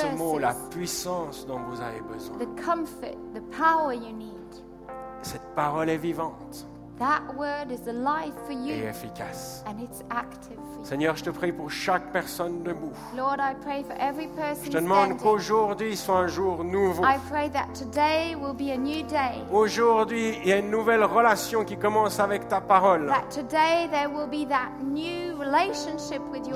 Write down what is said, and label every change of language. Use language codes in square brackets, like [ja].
[fr] ce mot la puissance dont vous avez besoin. [en] The comfort, the power you need. [fr] Cette parole est vivante. [en] That word is alive for you, [fr] et efficace. [en] And it's active for you. [fr] Seigneur, je te prie pour chaque personne debout. [en] Lord, I pray for every person [fr] je te demande [en] standing. [fr] Qu'aujourd'hui soit un jour nouveau. [en] I pray that today will be a new day. [fr] Aujourd'hui, il y a une nouvelle relation qui commence avec ta parole. [en] That today there will be that new relationship with your